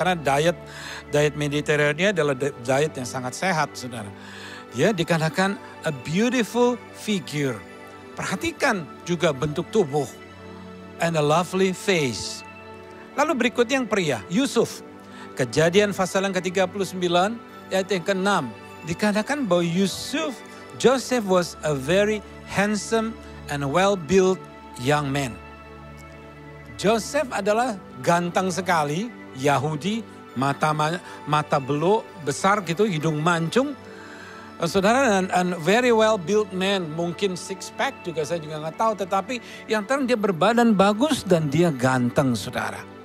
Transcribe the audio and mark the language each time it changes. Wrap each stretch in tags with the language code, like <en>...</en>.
<id>Karena diet Mediterania adalah diet yang sangat sehat saudara. Dia dikatakan</id> <en>a beautiful figure.</en> <id>Perhatikan juga bentuk tubuh</id> <en>and a lovely face.</en> <id>Lalu berikutnya yang pria, Yusuf. Kejadian pasal yang ke-39, ayat yang ke-6. Dikatakan bahwa</id> <en>Joseph was a very handsome and well-built young man.</en> <id>Joseph adalah ganteng sekali, Yahudi, mata beluk besar gitu, hidung mancung. Saudara,</id> <en>and very well-built man,</en> <id>mungkin six-pack juga saya juga gak tahu. Tetapi yang terang dia berbadan bagus dan dia ganteng, saudara.</id>